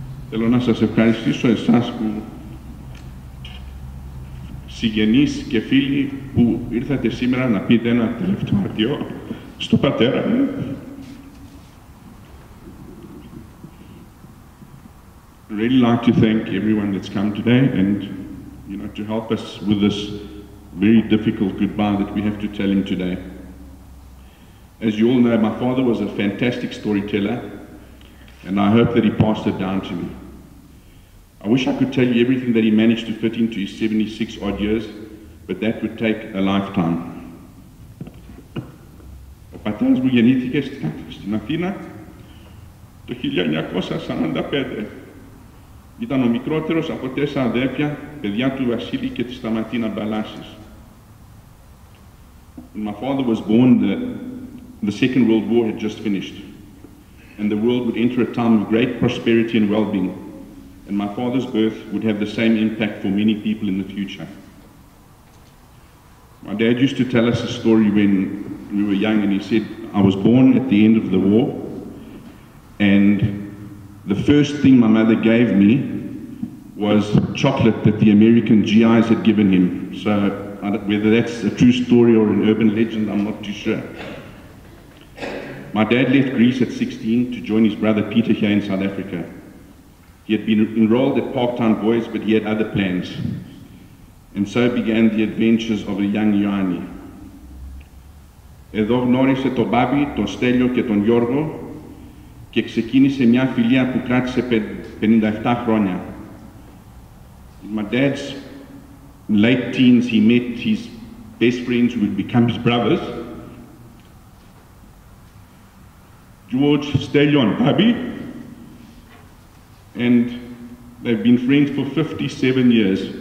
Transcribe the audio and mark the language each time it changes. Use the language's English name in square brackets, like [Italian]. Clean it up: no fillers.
[Greek] Θέλω να σας ευχαριστήσω εσάς που συγγενείς και φίλοι που ήρθατε σήμερα να πείτε ένα τελευταίο αντίο στον πατέρα μου. [English] Really like to thank everyone that's come today, and you know, to help us with this very difficult goodbye that we have to tell him today. As you all know, my father was a fantastic storyteller, and I hope that he passed it down to me. I wish I could tell you everything that he managed to fit into his 76 odd years, but that would take a lifetime. [Greek] Ο πατέρας μου γεννήθηκε στην Αθήνα το 1945. Ήταν ο μικρότερος από 4 αδέρφια, παιδιά του Βασίλη και της Σταματίνα Μπαλάσης. [English] When my father was born, the Second World War had just finished, and the world would enter a time of great prosperity and well-being, and my father's birth would have the same impact for many people in the future. My dad used to tell us a story when we were young, and he said, I was born at the end of the war, and the first thing my mother gave me was chocolate that the American GIs had given him. So whether that's a true story or an urban legend, I'm not too sure. My dad left Greece at 16 to join his brother Peter here in South Africa. He had been enrolled at Parktown Boys, but he had other plans. And so began the adventures of a young Ioanni. [Greek] Εδώ γνώρισε τον Μπάμπη, τον Στέλιο και τον Γιώργο, και ξεκίνησε μια φιλία που κράτησε 57 χρόνια. [English] In my dad's late teens, he met his best friends who would become his brothers, George, Stelio and Bobby, and they've been friends for 57 years.